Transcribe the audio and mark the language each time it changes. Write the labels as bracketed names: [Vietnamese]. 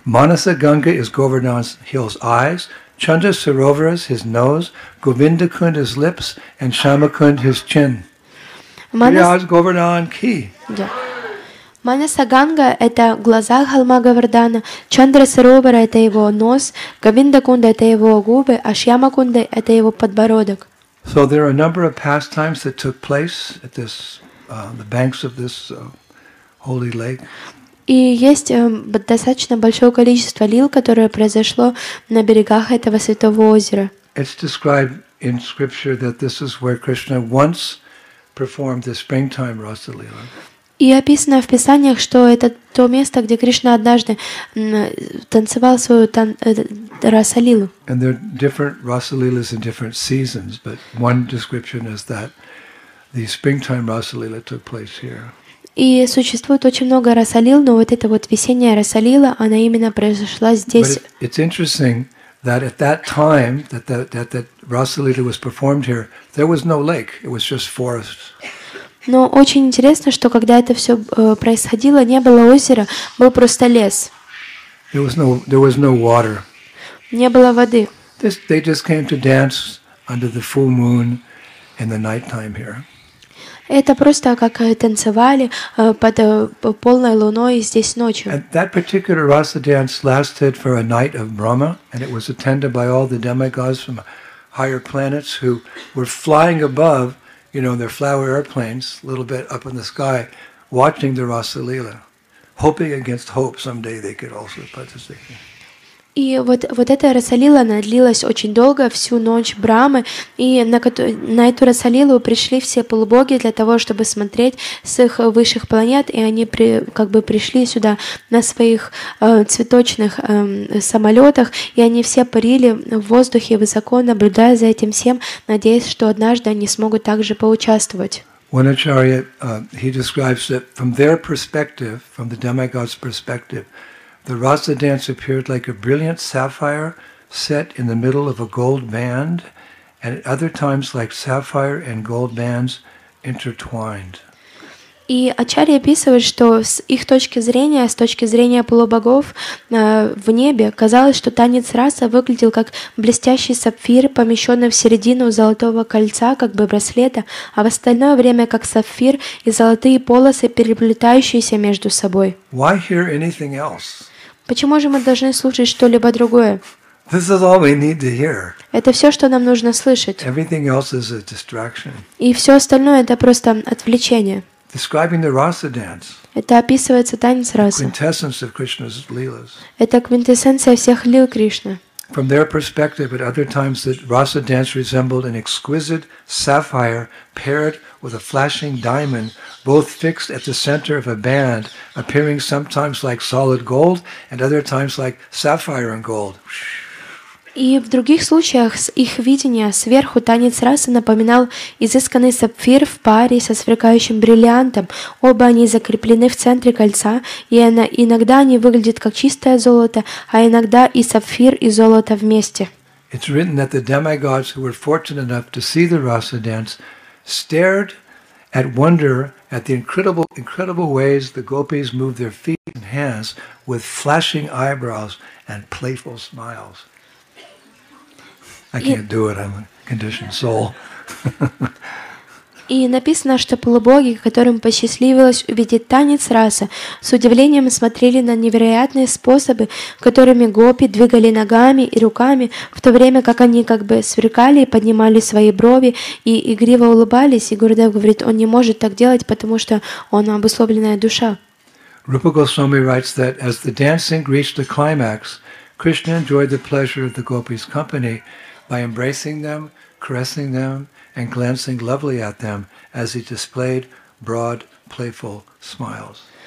[English] Manasa Ganga is Govardhan Hill's eyes, Chandrasarovar is his nose, Govinda Kunda his lips, and Shyamakunda his chin. Manas Govardhan ki. [Russian] Манаса Ганга – это глаза холма Говардана, Чандрасаровара – это его нос, Говиндакунда – это его губы, а Шьямакунда – это его подбородок. [English] So there are a number of pastimes that took place at this, the banks of this holy lake. [Russian] И есть достаточно большое количество лил, которое произошло на берегах этого святого озера. [English] It's described in scripture that this is where Krishna once performed the springtime Rasa Lila. [Russian] И описано в Писаниях, что это то место, где Кришна однажды танцевал свою Расалилу. [English] And there are different Rasalilas in different seasons, but one description is that the springtime Rasalila took place here. [Russian] И существует очень много Расалил, но вот эта вот весенняя Расалила, она именно произошла здесь. [English] But it's interesting that at that time that Rasalila was performed here, there was no lake, it was just forest. [Russian] Но очень интересно, что когда это все происходило, не было озера, был просто лес. [English] There was no water. [Russian] Не было воды. [English] They just came to dance under the full moon in the nighttime here. [Russian] Это просто как танцевали под полной луной здесь ночью. [English] And that particular rasa dance lasted for a night of Brahma, and it was attended by all the demigods from higher planets who were flying above, you know, their flower airplanes, a little bit up in the sky, watching the rasa lila, hoping against hope someday they could also participate. [Russian] И вот эта расалила, она длилась очень долго, всю ночь Брамы, и на эту расалилу пришли все полубоги для того, чтобы смотреть с их высших планет, и они пришли сюда на своих цветочных самолетах, и они все парили в воздухе высоко, наблюдая за этим всем, надеясь, что однажды они смогут также поучаствовать. [English] One Acharya, he describes that from their perspective, from the demigod's perspective, the rasa dance appeared like a brilliant sapphire set in the middle of a gold band, and at other times like sapphire and gold bands intertwined. [Russian] И Ачарья описывает, что с их точки зрения, с точки зрения полубогов в небе, казалось, что танец раса выглядел как блестящий сапфир, помещенный в середину золотого кольца, как бы браслета, а в остальное время как сапфир и золотые полосы, переплетающиеся между собой. [English] Why hear anything else? [Russian] Почему же мы должны слушать что-либо другое? [English] This is all we need to hear. [Russian] Это все, что нам нужно слышать. [English] Everything else is a distraction. [Russian] И все остальное – это просто отвлечение. [English] Describing the rasa dance. [Russian] Это описывается танец раса. [English] The quintessence of Krishna's lilas. [Russian] Это квинтэссенция всех лил Кришны. [English] From their perspective, at other times, the rasa dance resembled an exquisite sapphire paired with a flashing diamond, both fixed at the center of a band, appearing sometimes like solid gold, and other times like sapphire and gold. [Russian] И в других случаях с их видения сверху танец расы напоминал изысканный сапфир в паре со сверкающим бриллиантом. Оба они закреплены в центре кольца, и иногда они выглядят как чистое золото, а иногда и сапфир, и золото вместе. [English] It's written that the demigods who were fortunate enough to see the rasa dance stared at wonder at the incredible ways the gopis moved their feet and hands with flashing eyebrows and playful smiles. I can't do it. I'm a conditioned soul. [Russian] И написано, что полубоги, которым посчастливилось увидеть танец расы, с удивлением смотрели на невероятные способы, которыми гопи двигали ногами и руками, в то время как они как бы сверкали и поднимали свои брови и игриво улыбались. И Гурудев говорит, он не может так делать, потому что он обусловленная душа. [English] Rupa Goswami writes that as the dancing reached the climax, Krishna enjoyed the pleasure of the gopis' company by embracing them, caressing them, and glancing lovely at them as he displayed broad, playful smiles.